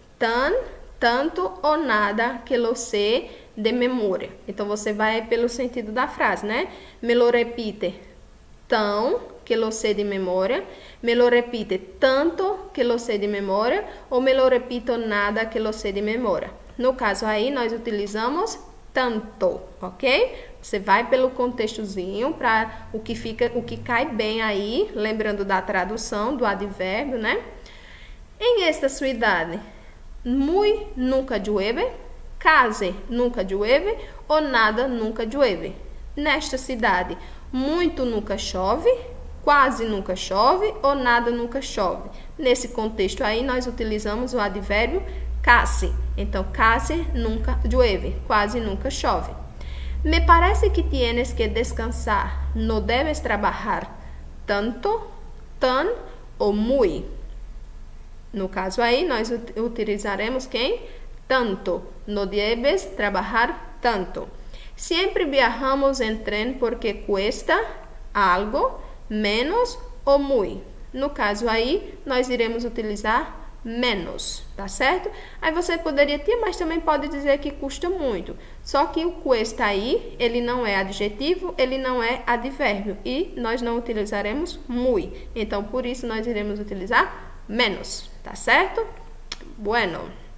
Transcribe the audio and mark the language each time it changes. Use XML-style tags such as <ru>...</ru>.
<es>Tanto ou nada que lo sé de memória.</es> <pt>Então você vai pelo sentido da frase, né?</pt> <es>Me lo repite tão que lo sé de memória. Me lo repite tanto que lo sé de memória. Ou me lo repito nada que lo sé de memória.</es> <pt>No caso aí, nós utilizamos tanto, ok? Você vai pelo contextozinho para o que fica, o que cai bem aí, lembrando da tradução do advérbio, né? Em esta cidade.</pt> <es>Muy nunca llueve, case nunca llueve ou nada nunca llueve.</es> <pt>Nesta cidade, muito nunca chove, Quase nunca chove ou nada nunca chove. Nesse contexto aí, nós utilizamos o advérbio casi.</pt> <es>Então, casi nunca llueve.</es> <pt>Quase nunca chove.</pt> <es>Me parece que tienes que descansar. No debes trabajar tanto, tan ou muy.</es> <pt>No caso aí, nós utilizaremos quem? Tanto.</pt> <es>No debes trabajar tanto. Siempre viajamos en tren porque cuesta algo.</es> <pt>Menos ou muy? No caso aí, nós iremos utilizar menos, tá certo? Aí você poderia ter, mas também pode dizer que custa muito. Só que o cuesta aí, ele não é adjetivo, ele não é advérbio. E nós não utilizaremos muy. Então, por isso, nós iremos utilizar menos, tá certo? Bueno.</pt>